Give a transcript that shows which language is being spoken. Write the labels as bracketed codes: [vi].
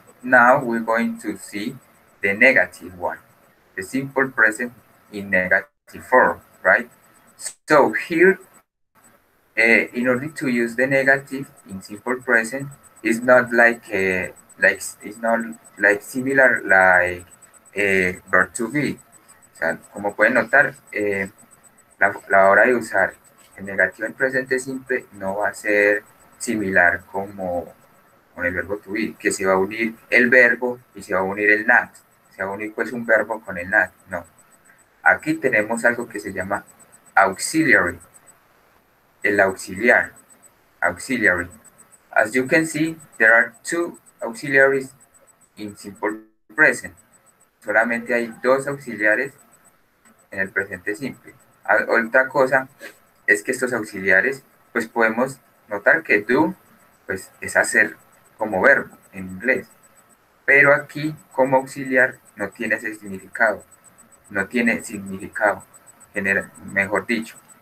[en] Now we're going to see the negative one, the simple present in negative form, right? So here, in order to use the negative in simple present, it's not like verb to be. [es] Como pueden notar, la hora de usar el negativo en presente simple no va a ser similar como con el verbo to be, que se va a unir el verbo y se va a unir el not. Se va a unir pues un verbo con el not. No. Aquí tenemos algo que se llama auxiliary. El auxiliar. Auxiliary. [en] As you can see, there are two auxiliaries in simple present. [es] Solamente hay dos auxiliares en el presente simple. Otra cosa es que estos auxiliares, pues podemos notar que do, pues es hacer como verbo en inglés. Pero aquí, como auxiliar, no tiene ese significado. No tiene significado, general, mejor dicho.